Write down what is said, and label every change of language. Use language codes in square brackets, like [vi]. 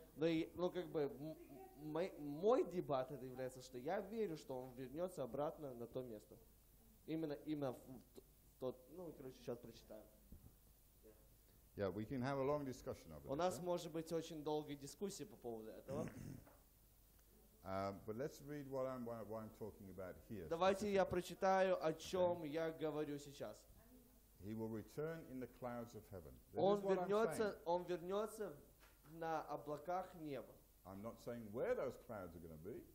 [ru] Но как бы мой дебат это является, что я верю, что он вернется обратно на то место. Именно в тот, ну, короче, сейчас прочитаю. [en] Yeah, we can have a long discussion of it. [ru] У нас может быть очень долгая дискуссия по поводу этого. [en] But let's read what I'm talking about here. [ru] Давайте я прочитаю, о чем я говорю сейчас. [en] He will return in the clouds of heaven. [ru] Он вернется на облаках неба. [en] I'm not saying where those clouds are going to be.